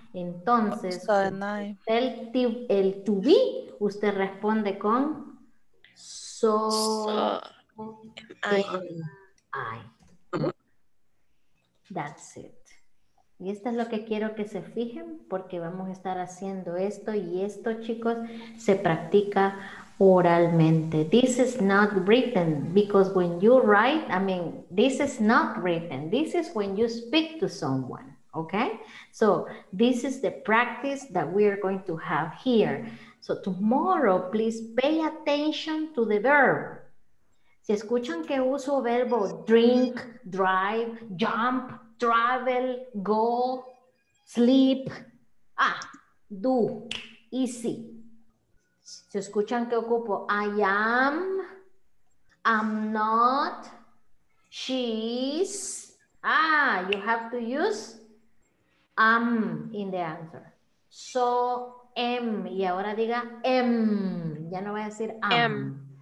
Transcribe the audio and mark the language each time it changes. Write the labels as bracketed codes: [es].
[es] Entonces, el [en] to be, [es] usted responde con [en] so am I. That's it. [es] Y esto es lo que quiero que se fijen, porque vamos a estar haciendo esto, y esto, chicos, se practica oralmente. [en] This is not written, because when you write, I mean, this is not written. This is when you speak to someone, okay? So this is the practice that we are going to have here. So tomorrow, please pay attention to the verb. [es] Si escuchan que uso verbo drink, drive, jump, travel, go, sleep, do, easy. Si escuchan que ocupo [en] I am, I'm not, she's, you have to use am in the answer. [es] So, am, y ahora diga am, ya no voy a decir am.